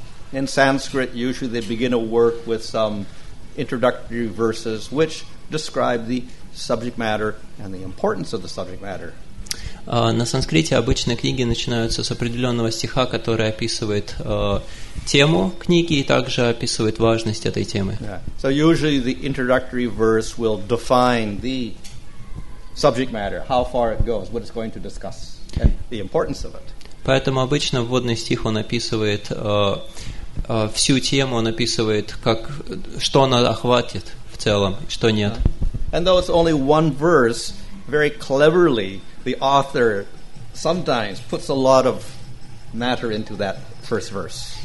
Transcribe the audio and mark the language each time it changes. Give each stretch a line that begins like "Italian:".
English: In Sanskrit, usually they begin a work with some introductory verses which describe the subject matter and the importance of the subject matter.
Russian: На санскрите обычно книги начинаются с определенного стиха, который описывает тему книги и также описывает важность этой темы.
English: So usually the introductory verse will define the subject matter, how far it goes, what it's going to discuss, and the importance of it.
Russian: Поэтому обычно вводный стих он описывает всю тему, он описывает, как, что она охватит в целом, что нет.
English: And though it's only one verse, very cleverly the author sometimes puts a lot of matter into that first verse.